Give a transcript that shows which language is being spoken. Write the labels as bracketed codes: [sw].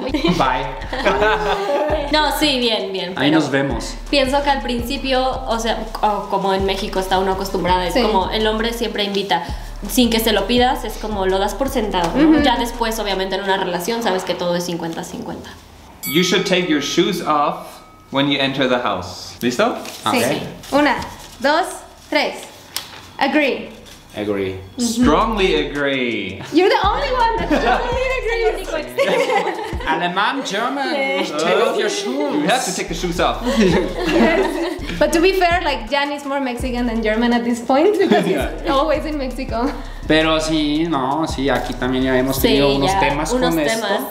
[en] Bye. [es] No, sí, bien, bien. Ahí nos vemos. Pienso que al principio, o sea, como en México está uno acostumbrado, es como el hombre siempre invita. Sin que se lo pidas, es como lo das por sentado, ¿no? Ya después, obviamente, en una relación sabes que todo es 50-50. [en] You should take your shoes off when you enter the house. [es] ¿Listo? Sí. Okay. Una, dos, tres. [en] Agree. Agree. Strongly agree. You're the only one that strongly agrees. [es] Alemán, [en] German, yes. Take off your shoes. You have to take the shoes off. Yes. But to be fair, like, Jan is more Mexican than German at this point because he's always in Mexico. [es] Pero sí, no, sí, aquí también ya hemos tenido unos temas con esto.